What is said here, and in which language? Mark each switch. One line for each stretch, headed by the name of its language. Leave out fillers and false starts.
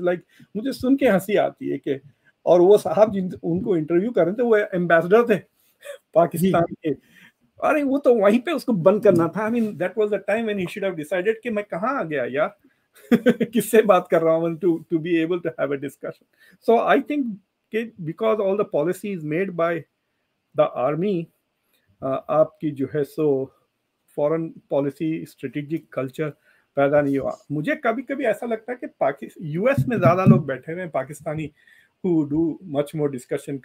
Hindi: Like, मुझे सुन के हंसी आती है कि और वो साहब जिन उनको इंटरव्यू कर रहे थे वो एम्बेसडर थे पाकिस्तान के. अरे वो तो वहीं पे उसको बंद करना था.
English: I mean, that was the time when he should have decided
Hindi: कि मैं कहाँ आ गया यार. किससे बात कर रहा हूँ
English: to be able to have a discussion. So I think कि because all the policies made by the army,
Hindi: आपकी जो है सो
English: foreign policy strategic culture
Hindi: पैदा नहीं हुआ. मुझे कभी कभी ऐसा लगता है कि US में ज्यादा लोग बैठे हुए हैं Pakistani
English: who do much more discussion.